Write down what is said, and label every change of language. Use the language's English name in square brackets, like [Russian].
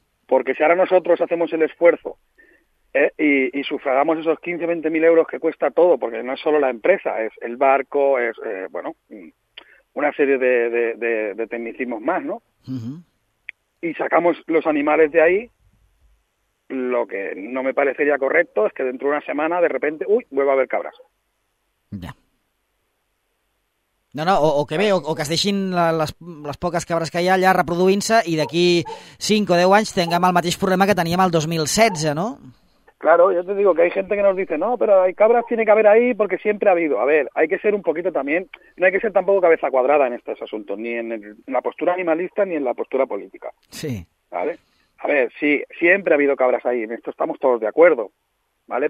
[Spanish] Porque si ahora nosotros hacemos el esfuerzo y sufragamos esos 15,000-20,000 euros que cuesta todo, porque no es solo la empresa, es el barco, es, bueno, una serie de tecnicismos más, ¿no? Uh-huh. Y sacamos los animales de ahí, lo que no me parecería correcto es que dentro de una semana, de repente, ¡uy!, vuelva a haber cabras. Ya. [Catalan] No, no, o que bé, o que es deixin les poques cabres que hi ha allà reproduint-se i d'aquí 5 o 10 anys tinguem el mateix problema que teníem el 2016, no? [Spanish] Claro, yo te digo que hay gente que nos dice, no, pero hay cabras, tiene que haber ahí porque siempre ha habido. A ver, hay que ser un poquito también, no hay que ser tampoco cabeza cuadrada en estos asuntos, ni en la postura animalista ni en la postura política. Sí. ¿Vale? A ver, sí, siempre ha habido cabras ahí, en esto estamos todos de acuerdo, ¿vale?